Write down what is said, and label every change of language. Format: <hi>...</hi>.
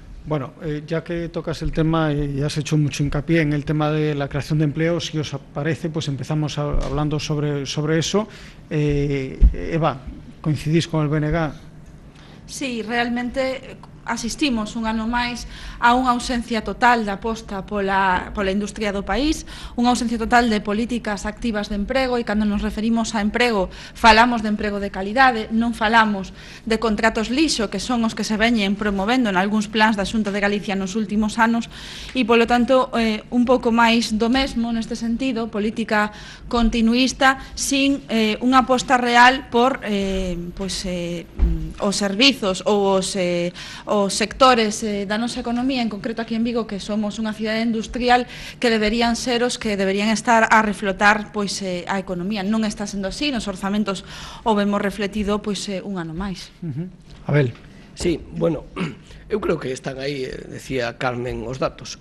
<es>Bueno, ya que tocas el tema y has hecho mucho hincapié en el tema de la creación de empleo, si os parece, pues empezamos hablando sobre eso. Eva, ¿coincidís con el BNG?</es> <gl>Sí, realmente asistimos un ano máis a unha ausencia total da aposta pola industria do país, unha ausencia total de políticas activas de emprego, e cando nos referimos a emprego falamos de emprego de calidade, non falamos de contratos lixo, que son os que se veñen promovendo en algúns plans da Xunta de Galicia nos últimos anos, e polo tanto un pouco máis do mesmo neste sentido, política continuista, sin unha aposta real por os servizos ou os sectores da nosa economía, en concreto aquí en Vigo, que somos unha cidade industrial, que deberían ser os que deberían estar a reflotar a economía. Non está sendo así, nos orzamentos o vemos refletido un ano máis. Abel. Sí, bueno, eu creo que están aí, decía Carmen, os datos.</gl>